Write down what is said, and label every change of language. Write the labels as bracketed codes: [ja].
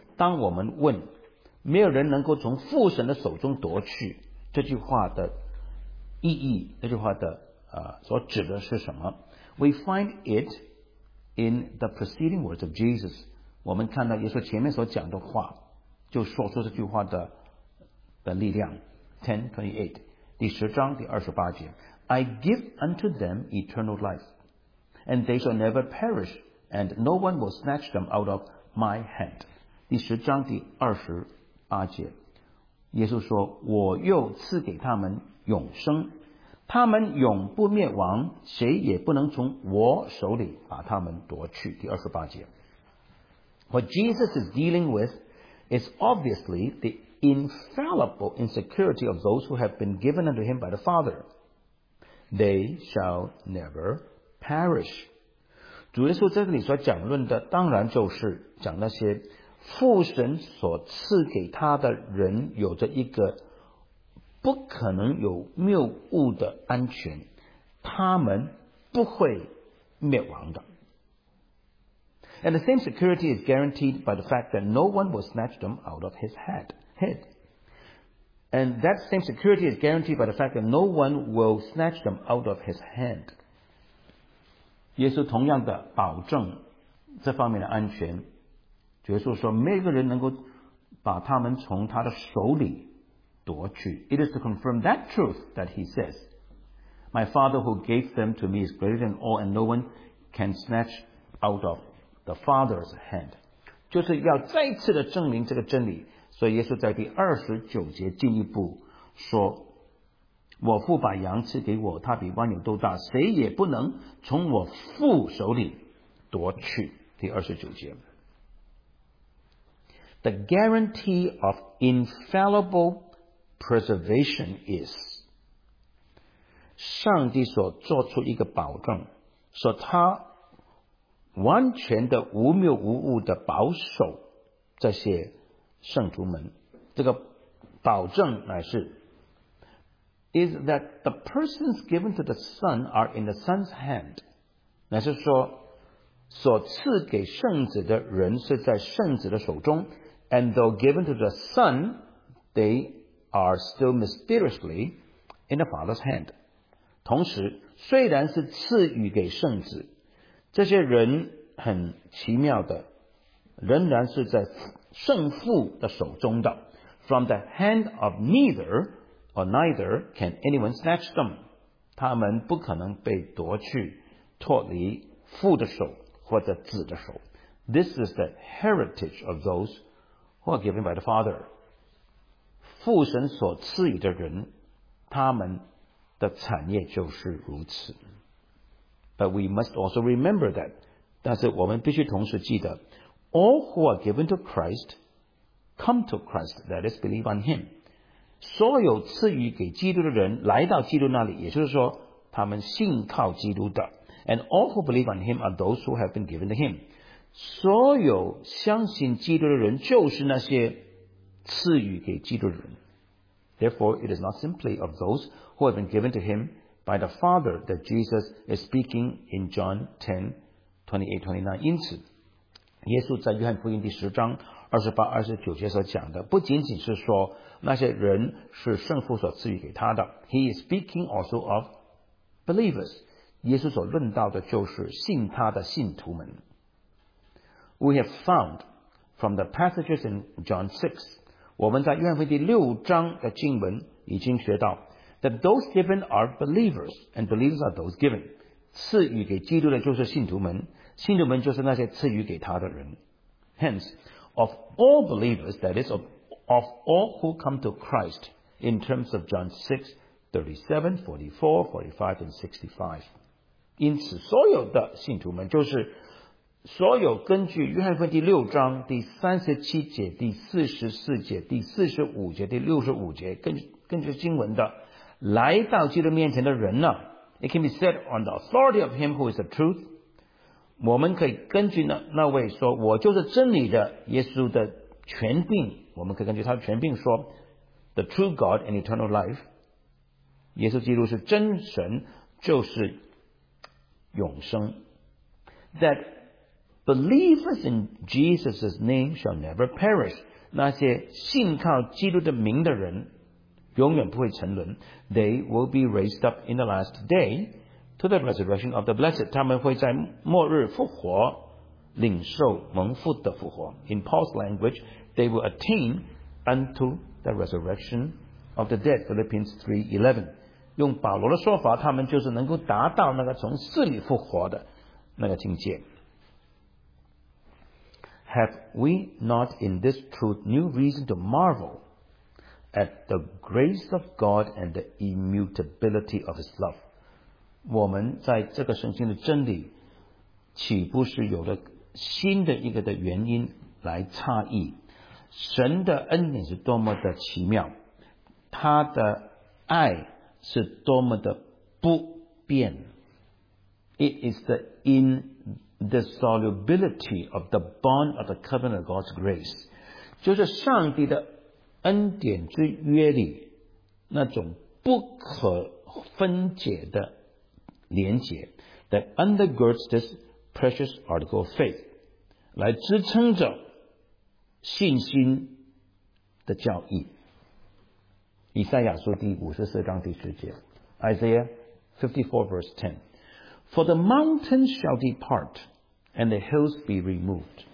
[zh] 当我们问没有人能够从父神的手中夺去，这句话的意义，这句话的所指的是什么？ [en] We find it in the preceding words of Jesus. [zh] 我们看到耶稣前面所讲的话，就说出这句话的力量。 10:28，第十章第二十八节。 [en] I give unto them eternal life, and they shall never perish, and no one will snatch them out of my hand. [zh] 第十章第二十八节，耶稣说：我又赐给他们永生，他们永不灭亡，谁也不能从我手里把他们夺去。第二十八节。 [en] What Jesus is dealing with is obviously the infallible insecurity of those who have been given unto him by the Father. They shall never perish. [zh] 主耶稣在这里所讲论的当然就是讲那些父神所赐给他的人有着一个不可能有谬误的安全，他们不会灭亡的。 [en] And the same security is guaranteed by the fact that no one will snatch them out of his head. And that same security is guaranteed by the fact that no one will snatch them out of his hand. [zh] 耶稣同样的保证这方面的安全，耶稣说没有一个人能够把他们从他的手里夺去。 [en] It is to confirm that truth that he says, My Father who gave them to me is greater than all, and no one can snatch out of the Father's hand. [zh] 就是要再次的证明这个真理。所以耶稣在第二十九节进一步说，我父把羊赐给我，他比万有都大，谁也不能从我父手里夺去。第二十九节。 [en] The guarantee of infallible preservation is [zh] 上帝所做出一个保证，说他完全的无谬无误的保守这些圣徒们，这个保证乃是 [en] is that the persons given to the Son are in the Son's hand， [zh] 乃是说所赐给圣子的人是在圣子的手中。 [en] And though given to the Son， they are still mysteriously in the Father's hand。 [zh] 同时虽然是赐予给圣子，这些人很奇妙的仍然是在圣父的手中的。 [en] From the hand of neither or neither can anyone snatch them， [zh] 他们不可能被夺去脱离父的手或者子的手。 [en] This is the heritage of those who are given by the Father， [zh] 父神所赐予的人他们的产业就是如此。 [en] But we must also remember that， [zh] 但是我们必须同时记得， [en] All who are given to Christ come to Christ， that is believe on him， [zh] 所有赐予给基督的人来到基督那里，也就是说他们信靠基督的。 [en] And all who believe on him are those who have been given to him， [zh] 所有相信基督的人就是那些赐予给基督的人。 [en] Therefore it is not simply of those who have been given to him by the Father that Jesus is speaking in John 10:28-29。 [zh] 因此耶稣在约翰福音第十章二十八二十九节所讲的不仅仅是说那些人是圣父所赐予给他的。 [en] He is speaking also of believers， [zh] 耶稣所论到的就是信他的信徒们。 [en] We have found from the passages in John 6， [zh] 我们在约翰福音第六章的经文已经学到 [en] that those given are believers and believers are those given， [zh] 赐予给基督的就是信徒们，信徒们就是那些赐予给他的人。 [en] Hence of all believers， that is of all who come to Christ in terms of John 6:37, 44, 45, and 65， [zh] 因此所有的信徒们就是所有根据约翰福音第六章第37节第44节第45节第65节根据经文的来到基督面前的人呢， [en] It can be said on the authority of him who is the truth， [zh] 我们可以根据 那位说我就是真理的耶稣的权柄，我们可以根据他的权柄说 [en] the true God and eternal life， [zh] 耶稣基督是真神就是永生。 [en] That believers in Jesus' name shall never perish， [zh] 那些信靠基督的名的人永远不会沉沦。 [en] They will be raised up in the last day， to the resurrection of the blessed. [zh] 他们会在末日复活，领受蒙福的复活。 [en] In Paul's language, they will attain unto the resurrection of the dead. Philippians 3:11. [zh] 用保罗的说法，他们就是能够达到那个从死里复活的那个境界。 [en] Have we not in this truth new reason to marvel at the grace of God and the immutability of His love? [zh] 我们在这个圣经的真理，岂不是有了新的一个的原因来诧异？神的恩典是多么的奇妙，他的爱是多么的不变。 [en] It is the indissolubility of the bond of the covenant of God's grace. [zh] 就是上帝的恩典之约里那种不可分解的连结 [en] that undergirds this precious article of faith. [zh] 来支撑着信心的教义。以赛亚书第54:10. [en] Isaiah 54:10. For the mountains shall depart, and the hills be removed.